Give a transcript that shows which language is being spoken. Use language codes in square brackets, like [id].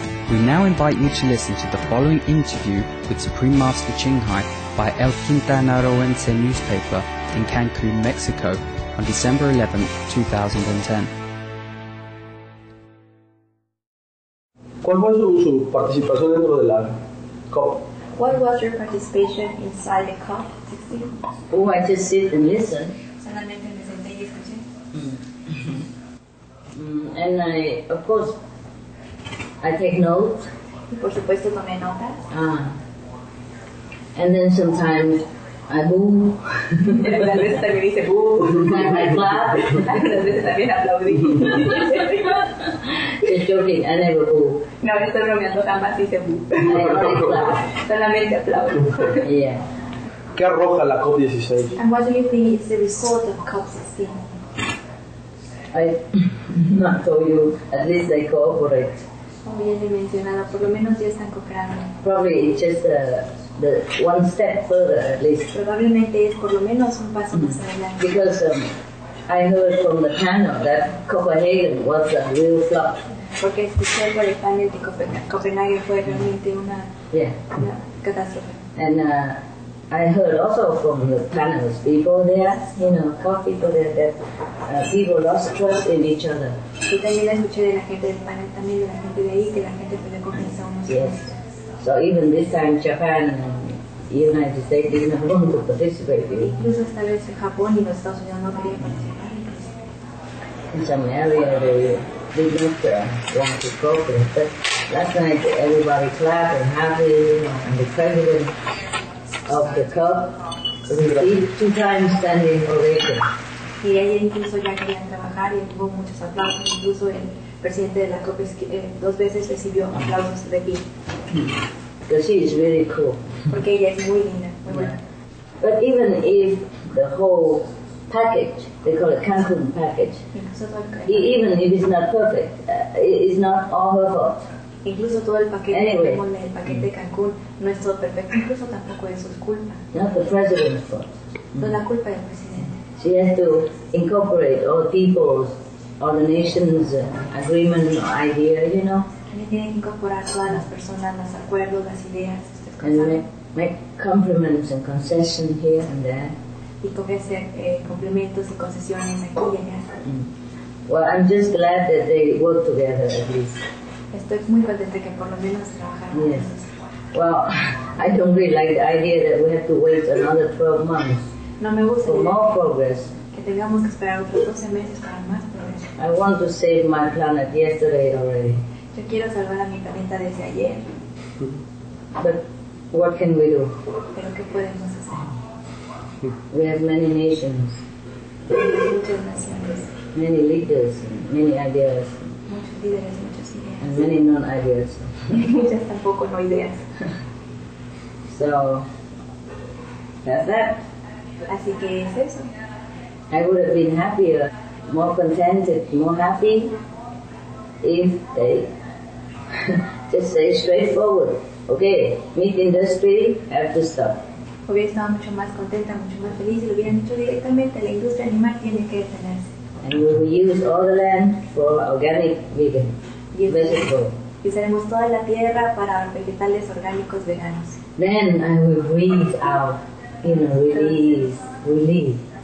[en] We now invite you to listen to the following interview with Supreme Master Qinghai by El Quintanarroense newspaper in Cancun, Mexico on December 11, 2010. [es] ¿Cuál fue su participación dentro de la COP? [en] What was your participation inside the COP 16? Oh, I just sit and listen. [es] Solamente me senté y escuché. [en] And I, of course, I take notes. [es] Y por supuesto tomé notas. [en] And then sometimes I boo. [es] A veces también dice boo. [en] Sometimes I clap. [es] A veces también aplaudí. [en] Just joking, I never boo. [es] No, estoy bromeando, jamás hice boo. Solamente aplaudo. [en] Yeah. [es] ¿Qué arroja la COP16? [en] And what do you think is the result of COP16? I not told you, at least they cooperate. [es] Oh, ya he mencionado, por lo menos ya están cooperando. [en] Probably it's just the one step further, at least. [es] Probablemente es por lo menos un paso más adelante. [en] Because I heard from the panel that Copenhagen was a real flop. [es] Porque escuché por el panel de Copenhague fue realmente una catástrofe. [en] And I heard also from the panel's people there, you know, COP people there, that people lost trust in each other. [es] Y también escuché de la gente del panel, también de la gente de ahí, que la gente perdió confianza unos en otros. [en] So even this time, Japan and the United States didn't want to participate. [es] Incluso esta vez Japón y los Estados Unidos no querían participar. [en] In some area they did not want to cooperate, but last night everybody clapped and happy, and the president of the COP received 2 times standing ovation. [es] Y ayer incluso ya querían trabajar y hubo muchos aplausos. Incluso el presidente de la COP 2 veces recibió aplausos de pie. [en] Because she is really cool. [es] Porque ella es muy linda. [en] But even if the whole package, they call it Cancun package. Even if it's not perfect, it's not all her fault. [es] Incluso todo el paquete, anyway, como el paquete de Cancún, no es todo perfecto. Incluso tampoco es su culpa. [en] Not the president's fault. [es] No es la culpa del presidente. [en] She has to incorporate all people's, all the nations' agreement or idea, you know. [es] Tiene que incorporar todas las personas, los acuerdos, las ideas. [en] And make compliments and concessions here and there. [es] Y con ese complementos y concesiones aquí y allá. [en] Well, I'm just glad that they work together at least. [es] Estoy muy contenta que por lo menos trabajaron. [en] Yes. Well, I don't really like the idea that we have to wait another 12 months. [es] No me gusta. [en] For more progress. [es] Que tengamos que esperar otros 12 meses para más progreso. [en] I want to save my planet yesterday already. [es] Yo quiero salvar a mi planeta desde ayer. [en] But what can we do? [es] Pero qué podemos hacer. [en] We have many nations, many leaders, many ideas. [es] Muchos líderes, muchas ideas. [en] And many non-ideas. [es] Muchas tampoco no ideas. [en] So, that's that. [es] Así que es eso. [en] I would have been happier, more contented, more happy if they just say straightforward, okay, meat industry have to stop. [es] Hubiera estado mucho más contenta, mucho más feliz si lo hubieran dicho directamente, la industria animal tiene que detenerse. [en] And we will use all the land for organic vegan, vegetable. [es] Y usaremos toda la tierra para vegetales orgánicos veganos. [en] Then I will breathe out, you know, release.